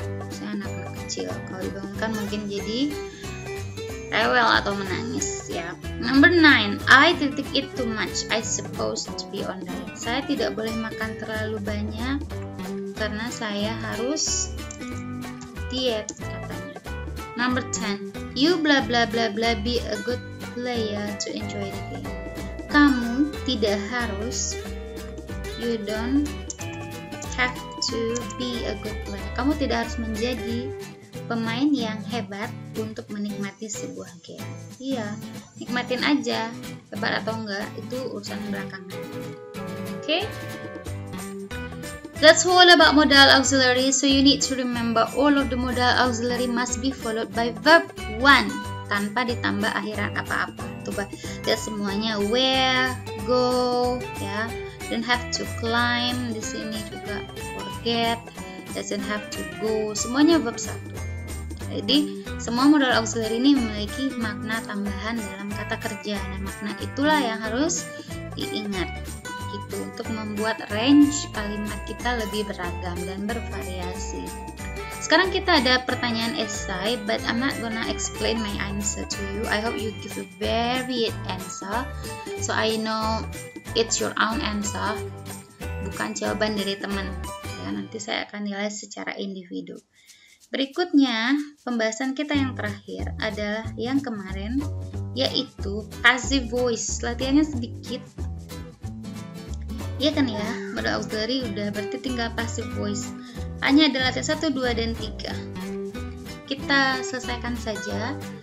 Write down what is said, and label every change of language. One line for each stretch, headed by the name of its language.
Indonesian: Misalnya anak-anak kecil, kalau dibangunkan mungkin jadi rewel atau menangis ya.
English: Number 9, I titik it too much. I supposed to be on diet.
Indonesian: Saya tidak boleh makan terlalu banyak karena saya harus diet, katanya.
English: Number 10, you blah blah blah blah be a good player to enjoy the game.
Indonesian: Kamu tidak harus,
English: you don't have to be a good player.
Indonesian: Kamu tidak harus menjadi pemain yang hebat untuk menikmati sebuah game. Iya, nikmatin aja, hebat atau enggak itu urusan belakangan. Oke?
English: That's all about modal auxiliary. So you need to remember all of the modal auxiliary must be followed by verb 1
Indonesian: tanpa ditambah akhiran apa-apa. Coba lihat semuanya, where, go, ya. Yeah.
English: Don't have to climb
Indonesian: di sini juga,
English: forget, doesn't have to go.
Indonesian: Semuanya verb 1. Jadi, semua modal auxiliary ini memiliki makna tambahan dalam kata kerja. Nah, makna itulah yang harus diingat gitu, untuk membuat range kalimat kita lebih beragam dan bervariasi. Sekarang kita ada pertanyaan esai,
English: but I'm not gonna explain my answer to you. I hope you give a varied answer, so I know it's your own answer,
Indonesian: bukan jawaban dari teman. Ya, nanti saya akan nilai secara individu. Berikutnya, pembahasan kita yang terakhir adalah yang kemarin, yaitu passive voice. Latihannya sedikit. Iya kan ya, modal auxiliary udah berarti tinggal passive voice. Hanya ada latihan 1, 2, dan 3. Kita selesaikan saja.